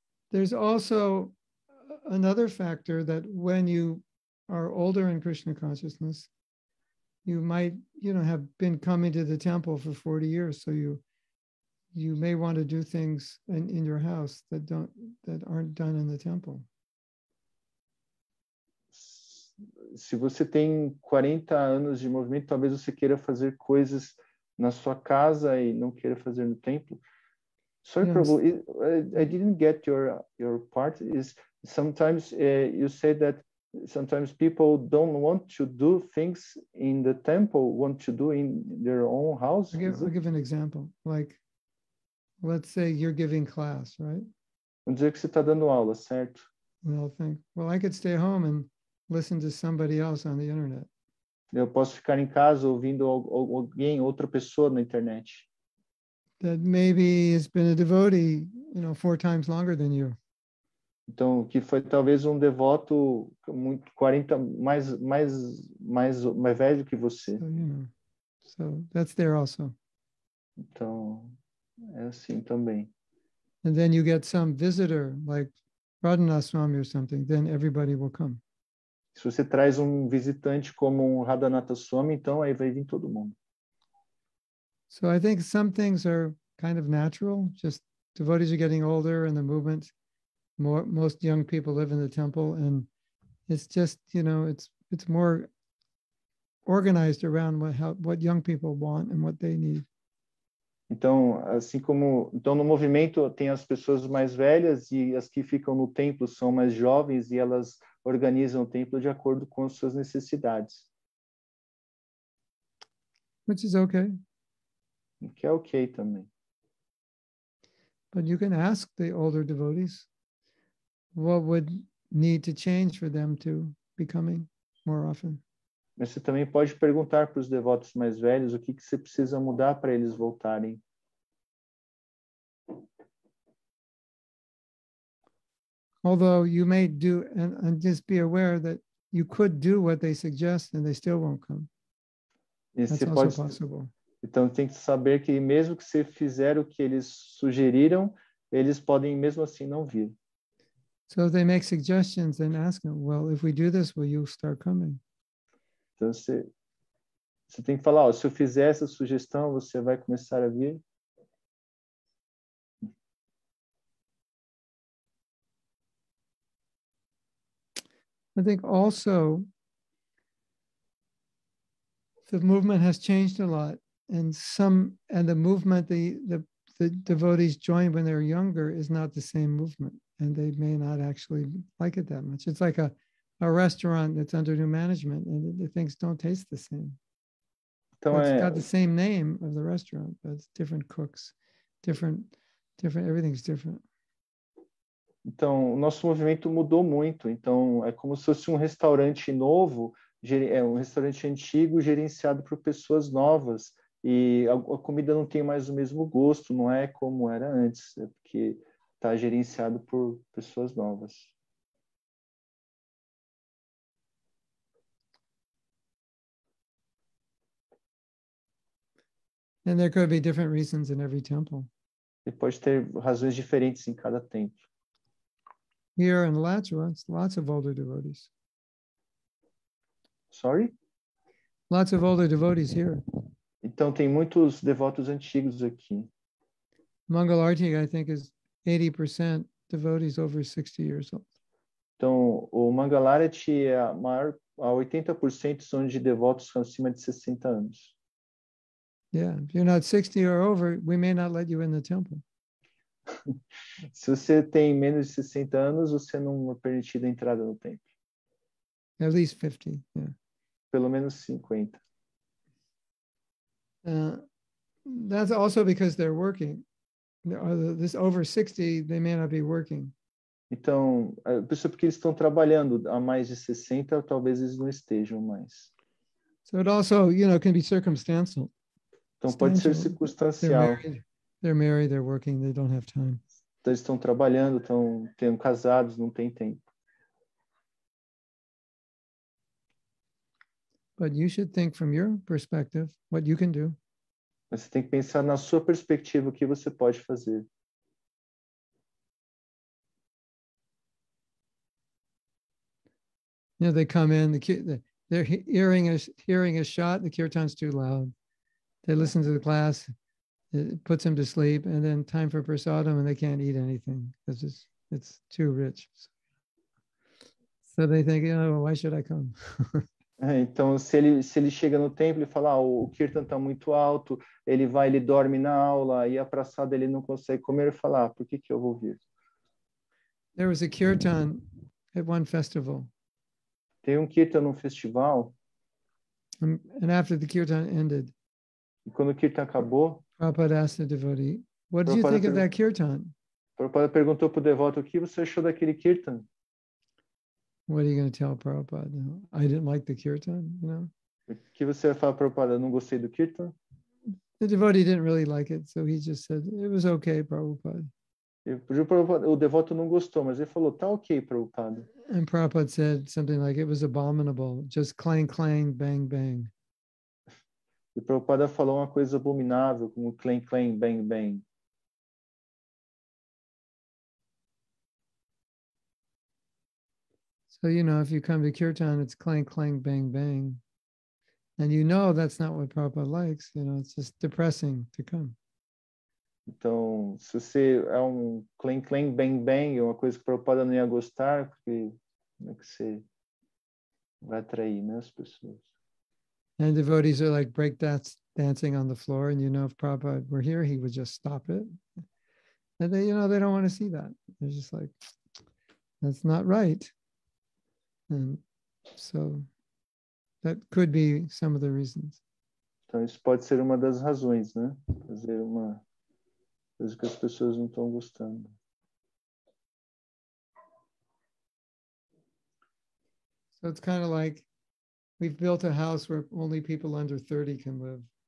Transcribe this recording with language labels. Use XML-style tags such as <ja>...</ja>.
<en>There's also another factor that when you are older in Krishna consciousness, you might, you know, have been coming to the temple for 40 years, so you may want to do things in your house that aren't done in the temple.</en> <pt>Se você tem 40 anos de movimento, talvez você queira fazer coisas na sua casa e não queira fazer no templo.</pt> <en>Sorry, yes. Prabhu, I didn't get your part. Is sometimes you say that sometimes people don't want to do things in the temple, want to do in their own house. I'll give an example, like. Let's say you're giving class, right?</en> <pt>Vamos dizer que você está dando aula, certo?</pt> <en>And I'll think, well, I could stay home and listen to somebody else on the internet.</en> <pt>Eu posso ficar em casa ouvindo alguém, outra pessoa na internet.</pt> <en>That maybe has been a devotee, you know, 4 times longer than you.</en> <pt>Então, que foi talvez devoto muito 40 mais velho que você.</pt> <en>So, you know, so that's there also.</en> <pt>Então, é assim também.</pt> <en>And then you get some visitor, like Radhanathaswami or something, then everybody will come.</en> <pt>Se você traz um visitante como um Radhanathaswami, então aí vai vir todo mundo.</pt> <en>So I think some things are kind of natural, just devotees are getting older and the movement, most young people live in the temple, and it's just, you know, it's more organized around what young people want and what they need.</en> <pt>Então, assim como, então no movimento tem as pessoas mais velhas e as que ficam no templo são mais jovens e elas organizam o templo de acordo com as suas necessidades.</pt> <en>Which is okay.</en> <pt>Que é okay também.</pt> <en>But you can ask the older devotees what would need to change for them to be coming more often.</en> <pt>Mas você também pode perguntar para os devotos mais velhos o que que você precisa mudar para eles voltarem.</pt> <en>Although you may do and just be aware that you could do what they suggest and they still won't come. That's also possible.</en> <pt>Então tem que saber que mesmo que você fizer o que eles sugeriram, eles podem mesmo assim não vir.</pt> <en>So they make suggestions and ask them, well, if we do this, will you start coming?</en> <pt>Então você tem que falar, ó, se eu fizer essa sugestão, você vai começar a vir?</pt> <en>I think also the movement has changed a lot. And the movement the devotees join when they're younger is not the same movement, and they may not actually like it that much. It's like a restaurant that's under new management, and the things don't taste the same.</en> <pt>Então,</pt> <en>it's got the same name of the restaurant, but it's different cooks, different, everything's different.</en> <pt>Então, o nosso movimento mudou muito. Então, é como se fosse um restaurante novo, é um restaurante antigo gerenciado por pessoas novas. E a comida não tem mais o mesmo gosto, não é como era antes, é porque está gerenciado por pessoas novas.</pt> <en>And there could be different reasons in every temple.</en> <pt>E pode ter razões diferentes em cada templo.</pt> <en>Here in Alachua, lots of older devotees. Sorry? Lots of older devotees here.</en> <pt>Então, tem muitos devotos antigos aqui.</pt> <en>Mangalarti, I think, is 80% devotees over 60 years old.</en> <pt>Então, o Mangalarti, a 80% são de devotos acima de 60 anos.</pt> <en>Yeah, if you're not 60 or over, we may not let you in the temple.</en> <pt>Se você tem menos de 60 anos, você não é permitido a entrada no templo.</pt> <en>At least 50, yeah.</en> <pt>Pelo menos 50.</pt> <en>That's also because they're working. This over 60, they may not be working.</en> <pt>Então, isso é porque eles estão trabalhando há mais de 60, talvez eles não estejam mais.</pt> <en>So it also, you know, can be circumstantial.</en> <pt>Então pode ser circunstancial.</pt> <en>They're married, they're working, they don't have time.</en> <pt>Então, eles estão trabalhando, estão tendo casados, não tem tempo.</pt> <en>But you should think from your perspective what you can do.</en> <pt>Mas você tem que pensar na sua perspectiva o que você pode fazer.</pt> <en>You know, they come in, they're hearing a shot, the kirtan's too loud. They listen to the class, it puts them to sleep, and then time for prasadam and they can't eat anything because it's too rich. So they think, you know, why should I come?</en> <pt>Então, se ele chega no templo e fala, ah, o kirtan está muito alto, ele vai, ele dorme na aula, e a praçada ele não consegue comer, ele fala, ah, por que que eu vou vir?</pt> <en>There was a kirtan at one festival.</en> <pt>Tem um kirtan num festival.</pt> <en>And after the kirtan ended,</en> <pt>e quando o kirtan acabou,</pt> <en>Prabhupada asked the devotee, what did you think of that kirtan?</en> <pt>Prabhupada perguntou para o devoto, o que você achou daquele kirtan?</pt> <en>What are you going to tell Prabhupada? I didn't like the kirtan, you know?</en> <pt>O que você vai falar para Prabhupada? Não gostei do kirtan?</pt> <en>The devotee didn't really like it, so he just said, it was okay, Prabhupada.</en> <pt>O devoto não gostou, mas ele falou, tá ok, Prabhupada.</pt> <en>And Prabhupada said something like, it was abominable, just clang, clang, bang, bang.</en> <pt>E Prabhupada falou uma coisa abominável, como clang, clang, bang, bang.</pt> <en>So, you know, if you come to kirtan, it's clang, clang, bang, bang. And you know that's not what Prabhupada likes. You know, it's just depressing to come.</en> <pt>Então, se você é clang, clang, bang, bang, uma coisa que Prabhupada não ia gostar, porque como é que você vai atrair, né, as pessoas?</pt> <en>And devotees are like breakdancing on the floor, and you know if Prabhupada were here, he would just stop it. And they, you know, they don't want to see that. They're just like, that's not right. And so that could be some of the reasons.</en> <pt>Então isso pode ser uma das razões, né? Fazer uma coisa que as pessoas não estão gostando.</pt> <en>So it's kind of like we've built a house where only people under 30 can live.</en>